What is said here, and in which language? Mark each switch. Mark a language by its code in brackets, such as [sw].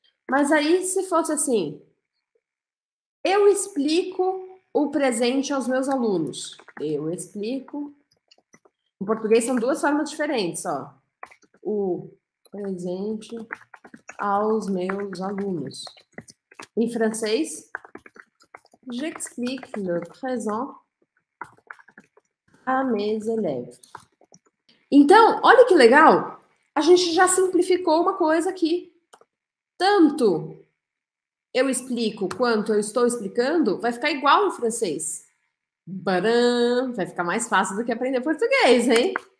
[pt] Mas aí, se fosse assim: eu explico o presente aos meus alunos. Eu explico. Em português são duas formas diferentes, ó. O presente aos meus alunos. Em francês: [fr] j'explique le présent à mes élèves. [pt] Então, olha que legal! A gente já simplificou uma coisa aqui. Tanto eu explico quanto eu estou explicando vai ficar igual em francês. Baram! Vai ficar mais fácil do que aprender português, hein?